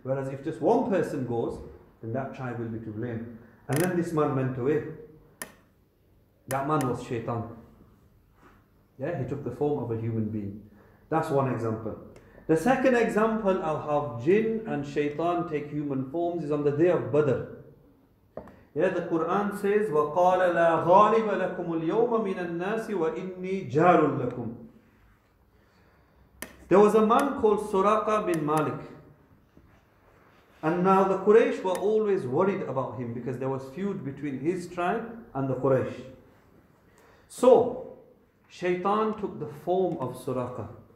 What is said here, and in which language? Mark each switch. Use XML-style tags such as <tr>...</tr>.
<en>Whereas if just one person goes, then that tribe will be to blame. And then this man went away. That man was shaitan. Yeah, he took the form of a human being. That's one example. The second example of how jinn and shaitan take human forms is on the day of Badr. Yeah, the Quran says,</en> <ar>وَقَالَ لَا غَالِبَ لَكُمُ الْيَوْمَ مِنَ النَّاسِ وَإِنِّي جَارٌ لَكُمْ.</ar> <en>There was a man called Suraqa bin Malik. And now the Quraysh were always worried about him because there was feud between his tribe and the Quraysh. So, Shaitan took the form of Suraqa.</en>